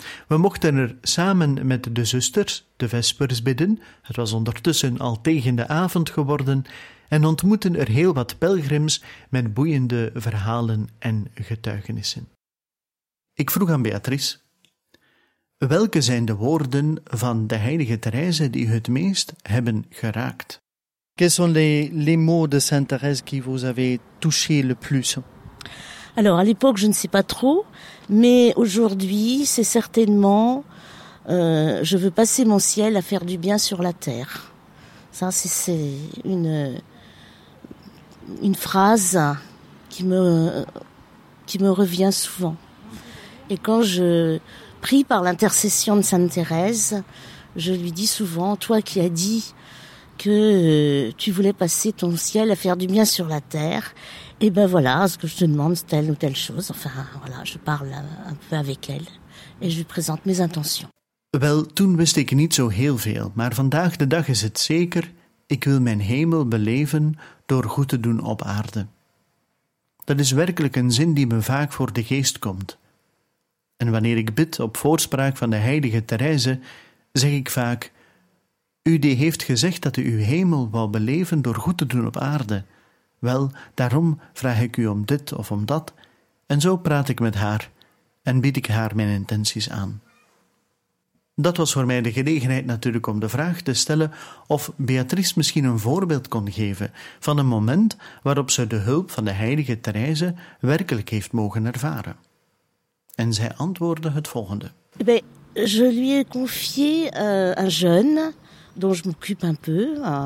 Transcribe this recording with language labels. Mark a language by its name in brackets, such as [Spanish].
[Dutch] We mochten er samen met de zusters de vespers bidden, het was ondertussen al tegen de avond geworden, en ontmoeten er heel wat pelgrims met boeiende verhalen en getuigenissen. Ik vroeg aan Beatrice, welke zijn de woorden van de heilige Therese die u het meest hebben geraakt? [French] Quels sont les mots de Sainte Thérèse qui vous avez touché le plus? Alors, à l'époque, je ne sais pas trop, mais aujourd'hui, c'est certainement « Je veux passer mon ciel à faire du bien sur la terre ». Ça, c'est une phrase qui me revient souvent. Et quand je prie par l'intercession de Sainte Thérèse, je lui dis souvent « Toi qui as dit que tu voulais passer ton ciel à faire du bien sur la terre », et ben voilà, ce que je te demande, c'est telle ou telle chose. Enfin, voilà, je parle un peu avec elle et je lui présente mes intentions. [Dutch] Wel, toen wist ik niet zo heel veel, maar vandaag de dag is het zeker. Ik wil mijn hemel beleven door goed te doen op aarde. Dat is werkelijk een zin die me vaak voor de geest komt. En wanneer ik bid op voorspraak van de heilige Therese, zeg ik vaak, u die heeft gezegd dat u uw hemel wou beleven door goed te doen op aarde. Wel, daarom vraag ik u om dit of om dat, en zo praat ik met haar en bied ik haar mijn intenties aan. Dat was voor mij de gelegenheid natuurlijk om de vraag te stellen of Beatrice misschien een voorbeeld kon geven van een moment waarop ze de hulp van de heilige Therese werkelijk heeft mogen ervaren. En zij antwoordde het volgende. [French] Je lui ai confié un jeune dont je m'occupe un peu.